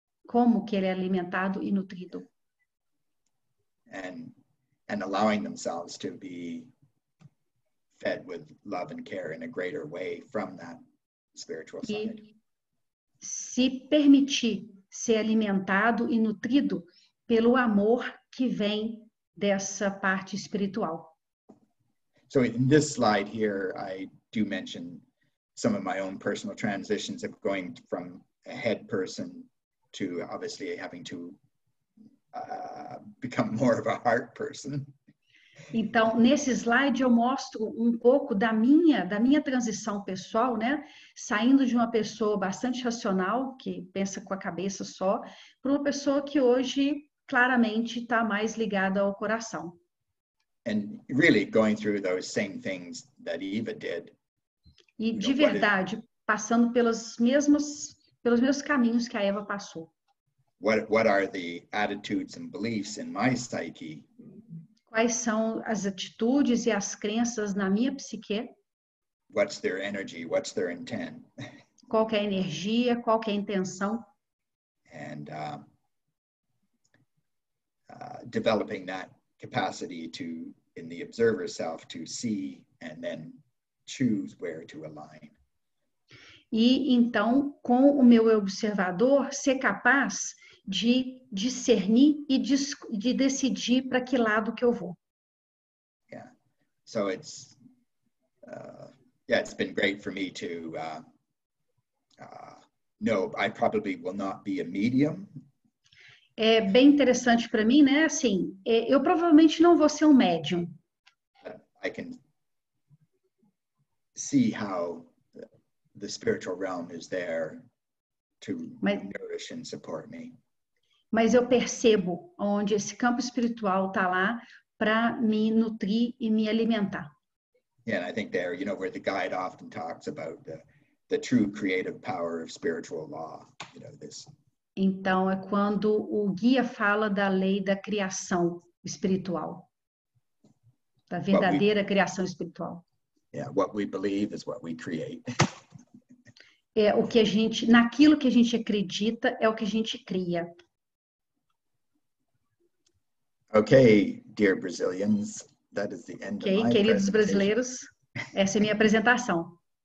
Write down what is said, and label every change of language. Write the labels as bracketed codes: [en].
[pt] Como que ele é alimentado e nutrido? [en] And allowing themselves to be fed with love and care in a greater way from that spiritual side. [pt] Se permitir ser alimentado e nutrido pelo amor que vem dessa parte espiritual. [en] So in this slide here, I do mention some of my own personal transitions of going from a head person to obviously having to become more of a heart person. [pt] Então, nesse slide eu mostro um pouco da minha transição pessoal, né? Saindo de uma pessoa bastante racional, que pensa com a cabeça só, para uma pessoa que hoje claramente está mais ligada ao coração. [en] And really going through those same things that Eva did. [pt] E de verdade, passando pelos mesmos caminhos que a Eva passou. [en] What are the attitudes and beliefs in my psyche? [pt] Quais são as atitudes e as crenças na minha psique? [en] What's their energy? What's their intent? [pt] Qual que é a energia? Qual que é a intenção? [en] And developing that capacity to, in the observer self, to see and then choose where to align. [pt] E então, com o meu observador, ser capaz de discernir e de decidir para que lado que eu vou. [en] Yeah. So it's it's been great for me to know I probably will not be a medium. [pt] É bem interessante para mim, né? Assim, eu provavelmente não vou ser um médium. [en] I can see how the spiritual realm is there to nourish and support me. [pt] Mas eu percebo onde esse campo espiritual está lá para me nutrir e me alimentar. [en] Yeah, and I think there, you know, where the guide often talks about the true creative power of spiritual law, you know, this. [pt] Então, é quando o guia fala da lei da criação espiritual. Da verdadeira criação espiritual. [en] Yeah, what we believe is what we create. [pt] é o que a gente, naquilo que a gente acredita, é o que a gente cria. [en] Okay, dear Brazilians, that is the end of my presentation. [pt] Queridos brasileiros, essa é minha apresentação.